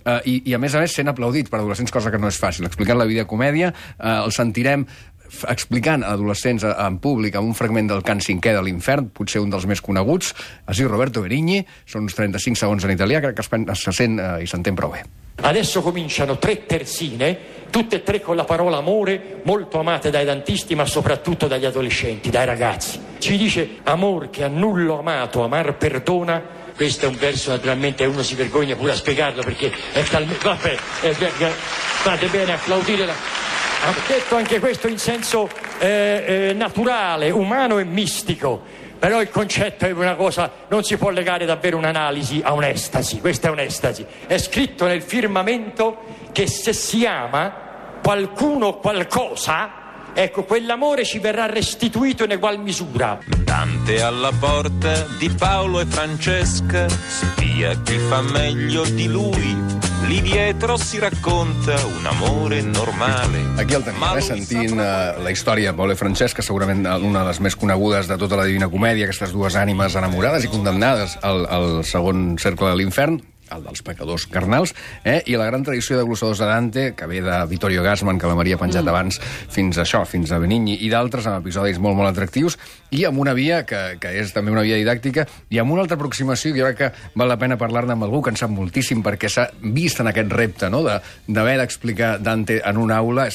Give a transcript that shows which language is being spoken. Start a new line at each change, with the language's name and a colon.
Catalan: I a més sent aplaudit per adolescents, cosa que no és fàcil. Explicant la Vida Comèdia, el sentirem explicant a adolescents en públic amb un fragment del Cant cinquè de l'Infern, potser un dels més coneguts, es diu Roberto Benigni, són uns 35 segons en italià, crec que se sent i s'entén prou bé.
Italian: Adesso cominciano tre terzine, tutte e tre con la parola amore, molto amate dai dantisti, ma soprattutto dagli adolescenti, dai ragazzi. Ci dice, amor che a nullo amato, amar perdona. Questo è un verso, naturalmente, uno si vergogna pure a spiegarlo, perché è talmente... Vabbè, fate bene applaudire la... Ha detto anche questo in senso naturale, umano e mistico. Però il concetto è una cosa, non si può legare davvero un'analisi a un'estasi, questa è un'estasi. È scritto nel firmamento che se si ama qualcuno o qualcosa, ecco, quell'amore ci verrà restituito in egual misura. Dante alla porta di Paolo e Francesca, spia chi fa meglio di lui. Lì dietro si racconta un amore normale.
Catalan: Aquí el tenim, sentint la història de Paolo e Francesca, segurament una de les més conegudes de tota la Divina Comèdia, aquestes dues ànimes enamorades i condemnades al segon cercle de l'infern, el dels pecadors carnals, eh? I la gran tradició de glossadors de Dante, que ve de Vittorio Gassman, que la Maria ha penjat abans, fins a això, fins a Benigni, i d'altres, amb episodis molt, molt atractius, i amb una via que és també una via didàctica, i amb una altra aproximació, que jo crec que val la pena parlar-ne amb algú que en sap moltíssim, perquè s'ha vist en aquest repte, no?, d'haver d'explicar Dante en una aula.